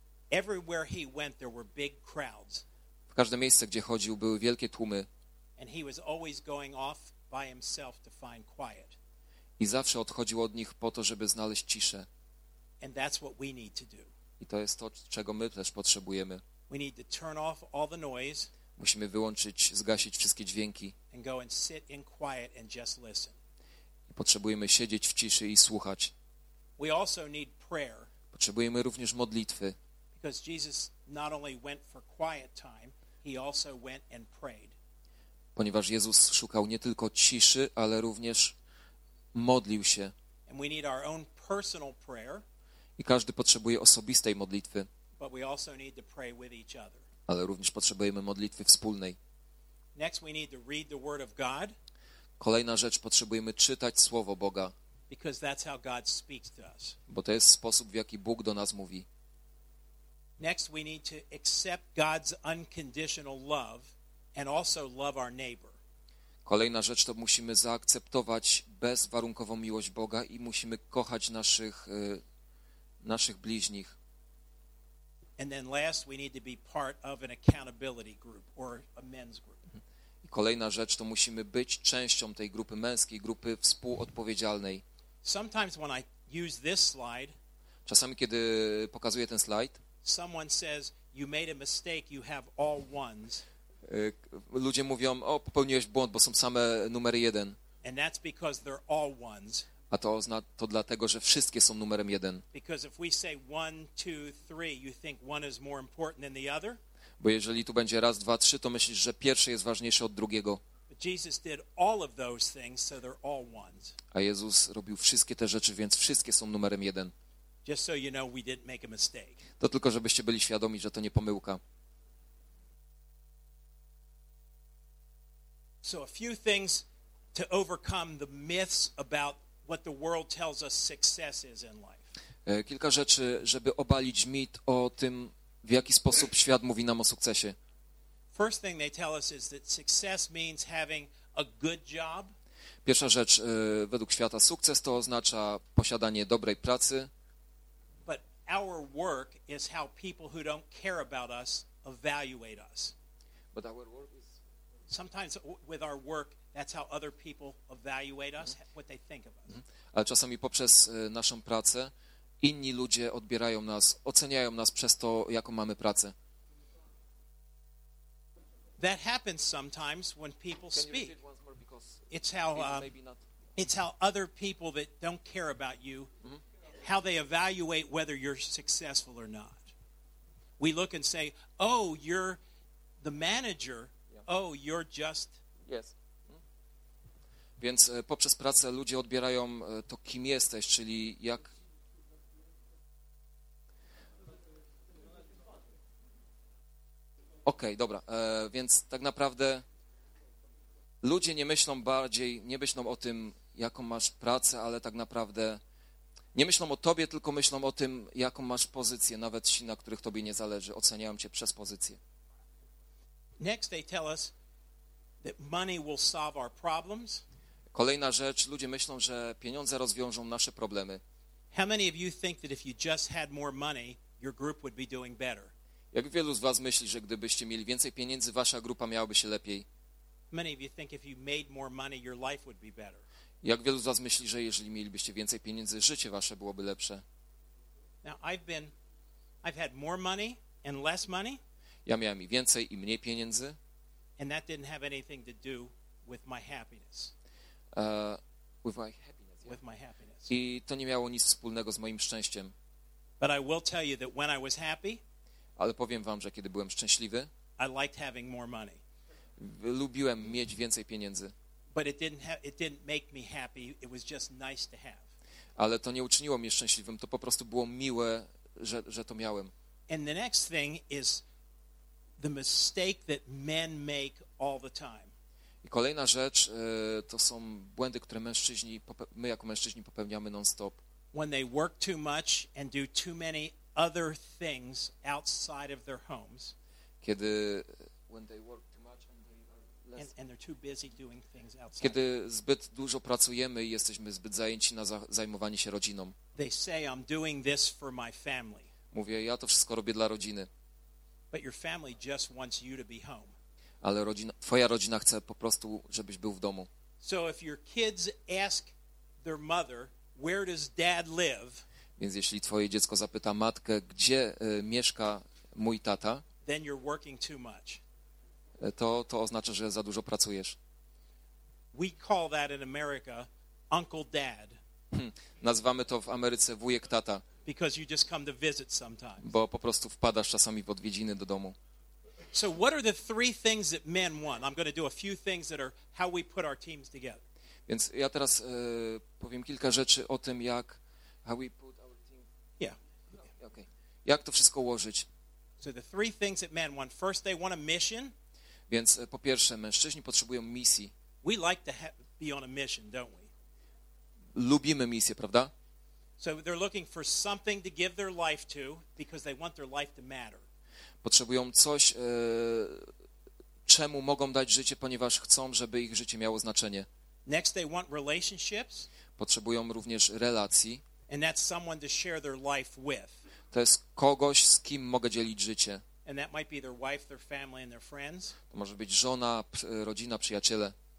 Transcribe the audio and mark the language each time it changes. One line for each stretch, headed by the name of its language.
English: Everywhere he went, there were big crowds.
Polish: Każde miejsce, gdzie chodził, były wielkie tłumy.
English: And he was always going off by himself to find quiet.
Polish: I zawsze odchodził od nich po to, żeby znaleźć ciszę.
English: And that's what we need to do.
Polish: I to jest to, czego my też potrzebujemy.
English: We need to turn off all the noise.
Polish: Musimy wyłączyć, zgasić wszystkie dźwięki.
English: And go and sit in quiet and just listen.
Polish: I potrzebujemy siedzieć w ciszy i słuchać.
English: We also need prayer.
Polish: Potrzebujemy również modlitwy.
English: Because Jesus not only went for quiet time, he also went and prayed.
Polish: Ponieważ Jezus szukał nie tylko ciszy, ale również modlił się.
English: And we need our own personal prayer.
Polish: I każdy potrzebuje osobistej modlitwy.
English: But we also need to pray with each other.
Polish: Ale również potrzebujemy modlitwy wspólnej.
English: Next we need to read the word of God.
Polish: Kolejna rzecz, potrzebujemy czytać słowo Boga.
English: Because that's how God speaks to us.
Polish: Bo to jest sposób, w jaki Bóg do nas mówi.
English: Next we need to accept God's unconditional love and also love our neighbor.
Polish: Kolejna rzecz, to musimy zaakceptować bezwarunkową miłość Boga i musimy kochać naszych bliźnich.
English: And then last we need to be part of an accountability group or a men's group.
Polish: I kolejna rzecz, to musimy być częścią tej grupy męskiej, grupy współodpowiedzialnej.
English: Sometimes when I use this slide,
Polish: czasami kiedy pokazuję ten slajd,
English: someone says you made a mistake, you have all ones.
Polish: Ludzie mówią, o, popełniłeś błąd, bo są same numery jeden.
English: And that's because they're all ones.
Polish: A to oznacza to dlatego, że wszystkie są numerem jeden.
English: Because if we say one, two, three, you think one is more important than the other?
Polish: Bo jeżeli tu będzie raz, dwa, trzy, to myślisz, że pierwsze jest ważniejsze od drugiego.
English: But Jesus did all of those things, so they're all ones.
Polish: A Jezus robił wszystkie te rzeczy, więc wszystkie są numerem jeden.
English: Just so you know, we didn't make a mistake.
Polish: To tylko, żebyście byli świadomi, że to nie pomyłka.
English: So a few things to overcome the myths about what the world tells us success is in life.
Polish: Kilka rzeczy, żeby obalić mit o tym, w jaki sposób świat mówi nam o sukcesie.
English: First thing they tell us is that success means having a good job.
Polish: Pierwsza rzecz, według świata sukces to oznacza posiadanie dobrej pracy.
English: Our work is how people who don't care about us evaluate us. But our work is sometimes with our work, that's how other people evaluate us, what they think of us.
Polish: Ale czasami poprzez naszą pracę inni ludzie odbierają nas, oceniają nas przez to, jaką mamy pracę.
English: That happens sometimes when people speak. It's how other people that don't care about you, how they evaluate whether you're successful or not. We look and say, oh, you're the manager. Oh, you're just... Yes.
Polish: Więc poprzez pracę ludzie odbierają to, kim jesteś, czyli jak... Okej, dobra. Więc tak naprawdę ludzie nie myślą bardziej, nie myślą o tym, jaką masz pracę, ale tak naprawdę nie myślą o tobie, tylko myślą o tym, jaką masz pozycję, nawet ci, na których tobie nie zależy. Oceniają cię przez pozycję.
English: Next they tell us that money will solve our problems.
Polish: Kolejna rzecz, ludzie myślą, że pieniądze rozwiążą nasze problemy.
English: How many of you think that if you just had more money, your group would be doing better?
Polish: Jak wielu z was myśli, że gdybyście mieli więcej pieniędzy, wasza grupa miałaby się lepiej?
English: Many of you think if you made more money, your life would be better.
Polish: Jak wielu z was myśli, że jeżeli mielibyście więcej pieniędzy, życie wasze byłoby lepsze?
English: Now I've had more money and less money.
Polish: Ja miałem i więcej i mniej pieniędzy.
English: And that didn't have anything to do with my happiness. With my happiness.
Polish: I to nie miało nic wspólnego z moim szczęściem.
English: But I will tell you that when I was happy,
Polish: ale powiem wam, że kiedy byłem szczęśliwy,
English: I liked having more money.
Polish: Lubiłem mieć więcej pieniędzy.
English: But it didn't make me happy. It was just nice to have.
Polish: Ale to nie uczyniło mnie szczęśliwym. To po prostu było miłe, że to miałem.
English: And the next thing is the mistake that men make all the time.
Polish: I kolejna rzecz to są błędy, które mężczyźni, my jako mężczyźni popełniamy non-stop.
English: When they work too much and do too many other things outside of their homes. Kiedy when they work too much and they are less and they're too busy doing things outside.
Polish: Kiedy zbyt dużo pracujemy i jesteśmy zbyt zajęci na zajmowanie się rodziną.
English: They say I'm doing this for my family.
Polish: Mówię, ja to wszystko robię dla rodziny.
English: But your family just wants you to be home.
Polish: Ale rodzina, twoja rodzina chce po prostu, żebyś był w domu.
English: So if your kids ask their mother, where does dad live?
Polish: Więc jeśli twoje dziecko zapyta matkę, gdzie mieszka mój tata?
English: Then you're working too much.
Polish: To oznacza, że za dużo pracujesz.
English: We call that in America uncle dad.
Polish: Nazywamy to w Ameryce wujek tata.
English: Because you just come to visit sometimes.
Polish: Bo po prostu wpadasz czasami w odwiedziny do domu.
English: So what are the three things that men want? I'm going to do a few things that are how we put our teams together.
Polish: Więc ja teraz powiem kilka rzeczy o tym, jak
English: how we put our team. Yeah.
Polish: Okay. Jak to wszystko ułożyć?
English: So the three things that men want. First, they want a mission.
Polish: Więc po pierwsze, mężczyźni potrzebują misji.
English: We like to be on a mission, don't we?
Polish: Lubimy misję, prawda?
English: So they're looking for something to give their life to because they want their life to matter.
Polish: Potrzebują coś, czemu mogą dać życie, ponieważ chcą, żeby ich życie miało znaczenie.
English: Next they want relationships.
Polish: Potrzebują również relacji.
English: And that's someone to share their life with.
Polish: To jest kogoś, z kim mogę dzielić życie.
English: And that might be their wife, their family and their friends.
Polish: To może być żona, rodzina, przyjaciele.